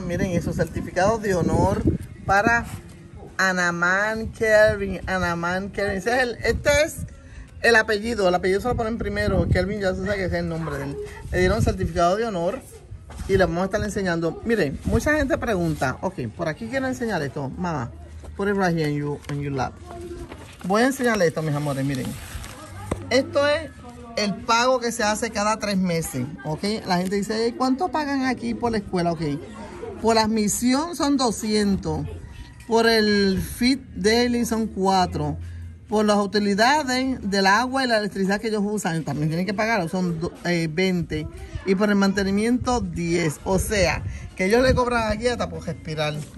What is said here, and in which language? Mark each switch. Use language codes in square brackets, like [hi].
[es] Miren esos certificados de honor para Anamán Kelvin. Anamán Kelvin. Este es el apellido. El apellido se lo ponen primero. Kelvin ya se sabe que es el nombre de él. Le dieron certificado de honor y le vamos a estar enseñando. Miren, mucha gente pregunta. Ok, por aquí quiero enseñar esto. [en] Mamá, put it right here in your lap. [es] Voy a enseñarle esto, mis amores. Miren, esto es el pago que se hace cada 3 meses, ¿ok? La gente dice, ¿cuánto pagan aquí por la escuela? Ok, por la admisión son 200, por el fit daily son 4, por las utilidades del agua y la electricidad que ellos usan, también tienen que pagar, son 20, y por el mantenimiento 10, o sea, que ellos le cobran aquí hasta por respirar.